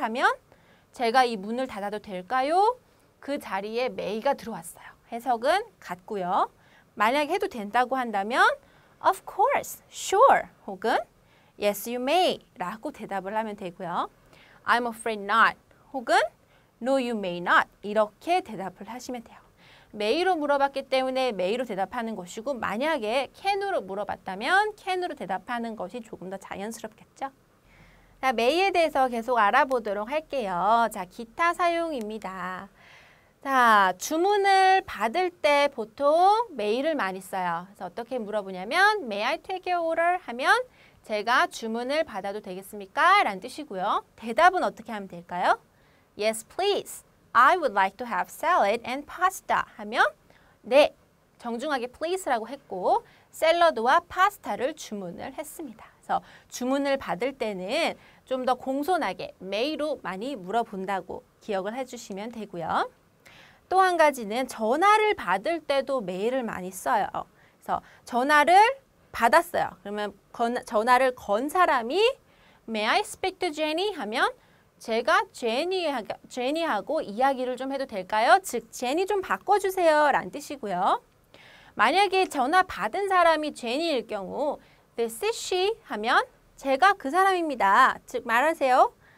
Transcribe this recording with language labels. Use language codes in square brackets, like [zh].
[ko] 하면 제가 이 문을 닫아도 될까요? 그 자리에 may가 들어왔어요. 해석은 같고요. 만약에 해도 된다고 한다면 [en] of course, sure, [ko] 혹은 [en] yes, you may [ko] 라고 대답을 하면 되고요. [en] I'm afraid not, 혹은 no, you may not [ko] 이렇게 대답을 하시면 돼요. may로 물어봤기 때문에 may로 대답하는 것이고 만약에 can으로 물어봤다면 can으로 대답하는 것이 조금 더 자연스럽겠죠? 자, may에 대해서 계속 알아보도록 할게요. 자, 기타 사용입니다. 자, 주문을 받을 때 보통 may를 많이 써요. 그래서 어떻게 물어보냐면 [en] may I take your order [ko] 하면 제가 주문을 받아도 되겠습니까? 라는 뜻이고요. 대답은 어떻게 하면 될까요? [en] Yes, please. I would like to have salad and pasta [ko] 하면 네, 정중하게 please라고 했고 샐러드와 파스타를 주문을 했습니다. 그래서 주문을 받을 때는 좀 더 공손하게 may로 많이 물어본다고 기억을 해주시면 되고요. 또 한 가지는 전화를 받을 때도 may를 많이 써요. 그래서 전화를 받았어요. 그러면 전화를 건 사람이 [en] May I speak to Jenny? [ko] 하면 제가 제니하고 이야기를 좀 해도 될까요? 즉, 제니 좀 바꿔주세요 라는 뜻이고요. 만약에 전화 받은 사람이 제니일 경우 [en] This is she [ko] 하면 제가 그 사람입니다. 즉 말하세요.